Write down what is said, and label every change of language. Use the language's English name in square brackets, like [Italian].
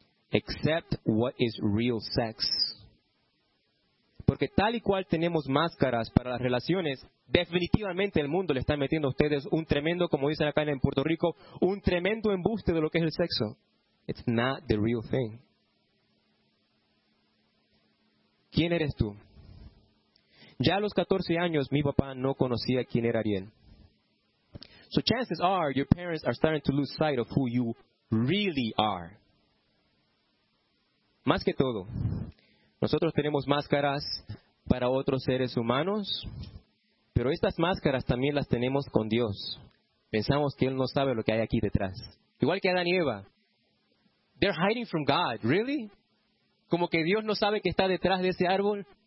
[English] Except what is real sex. [Spanish] Porque tal y cual tenemos máscaras para las relaciones, definitivamente el mundo le está metiendo a ustedes un tremendo, como dicen acá en Puerto Rico, un tremendo embuste de lo que es el sexo. [English] It's not the real thing. [Spanish] ¿Quién eres tú? Ya a los 14 años, mi papá no conocía quién era Ariel. [English] So chances are your parents are starting to lose sight of who you really are. [Spanish] Más que todo, nosotros tenemos máscaras para otros seres humanos, pero estas máscaras también las tenemos con Dios. Pensamos que Él no sabe lo que hay aquí detrás. Igual que Adán y Eva. [English] They're hiding from God. Really? [Spanish] ¿Como que Dios no sabe qué está detrás de ese árbol?